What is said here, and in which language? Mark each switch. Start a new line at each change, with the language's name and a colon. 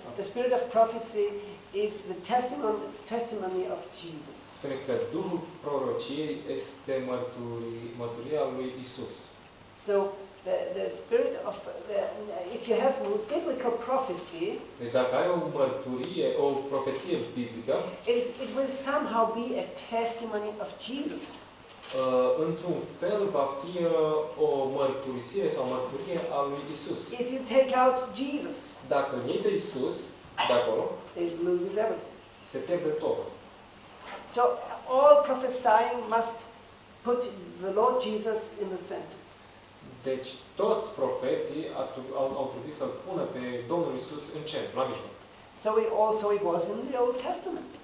English: The spirit of prophecy is the testimony of Jesus.
Romanian: Spune că Duhul prorociei este mărturia lui Isus.
English: So the spirit of if you have a biblical prophecy,
Romanian: deci dacă ai o mărturie, o profeție biblică,
English: it will somehow be a testimony of Jesus.
Romanian: Într-un fel va fi o mărturisire sau mărturie a lui Isus.
English: If you take out Jesus,
Romanian: dacă iei pe Isus de acolo,
English: it loses everything.
Romanian: Se pierde tot.
English: So all prophesying must put the Lord Jesus in the center.
Romanian: Deci toți profeții au trebuit să-l pună pe Domnul Isus în centru, la mijloc.
English: So it was in the Old Testament.